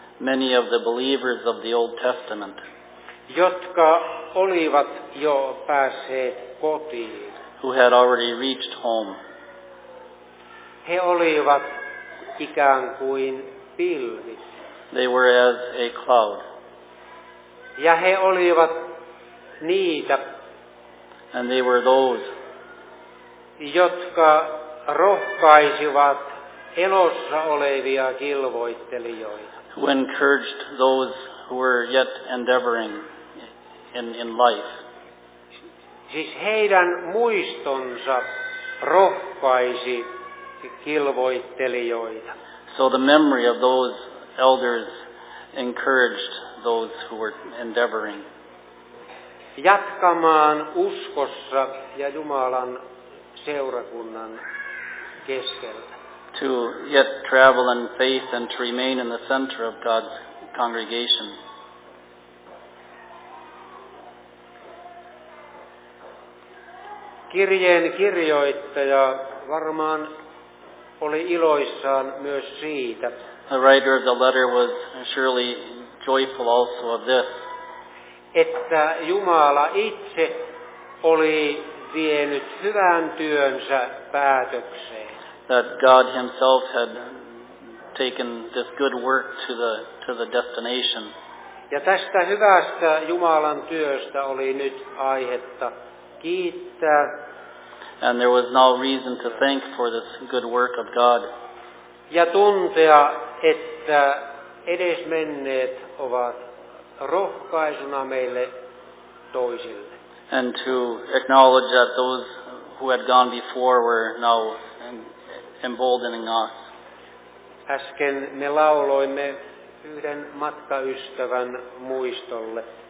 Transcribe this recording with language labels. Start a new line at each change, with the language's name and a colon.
English: Many of the believers of the Old Testament.
Finnish: Jotka olivat jo päässeet kotiin.
English: Who had already reached home.
Finnish: He olivat ikään kuin pilvi.
English: They were as a cloud.
Finnish: Ja he olivat niitä.
English: And they were those.
Finnish: Jotka rohkaisivat elossa olevia kilvoittelijoita.
English: Who encouraged those who were yet endeavoring in life.
Finnish: Siis heidän muistonsa rohkaisi kilvoittelijoita.
English: So the memory of those elders encouraged those who were endeavoring.
Finnish: Jatkamaan uskossa ja Jumalan seurakunnan keskellä.
English: To yet travel in faith and to remain in the center of God's congregation.
Finnish: Kirjeen kirjoittaja varmaan oli iloissaan myös siitä.
English: The writer of the letter was surely joyful also of this.
Finnish: Että Jumala itse oli vienyt hyvän työnsä päätökseen.
English: That God himself had taken this good work to the destination.
Finnish: Ja tästä hyvästä Jumalan työstä oli nyt aihetta kiittää.
English: And there was now reason to thank for this good work of God.
Finnish: Ja tuntea, että edesmenneet ovat rohkaisuna meille toisille.
English: And to acknowledge that those who had gone before were now emboldening us.
Finnish: Äsken me lauloimme yhden matkaystävän muistolle.